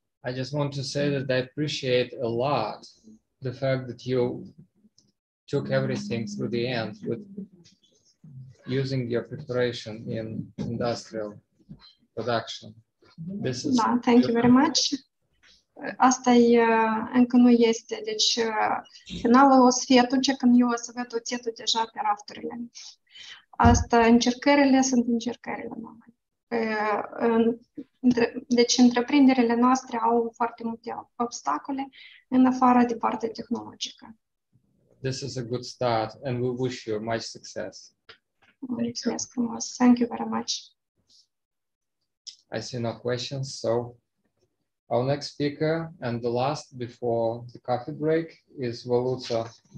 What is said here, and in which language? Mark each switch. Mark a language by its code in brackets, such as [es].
[en] I just want to say that I appreciate a lot the fact that you took everything through the end with using your preparation in industrial production. Da, thank you very much. [ro] Asta e, încă nu este, deci finalul o să fie atunci când eu o să văd oțetul deja pe rafturile. Asta, încercările sunt încercările noastre. Deci întreprinderile noastre au foarte multe obstacole în afară de partea tehnologică. [en] This is a good start and we wish you much success. [ro] Mulțumesc frumos. [en] Thank you very much. I see no questions, so our next speaker and the last before the coffee break is Voluta.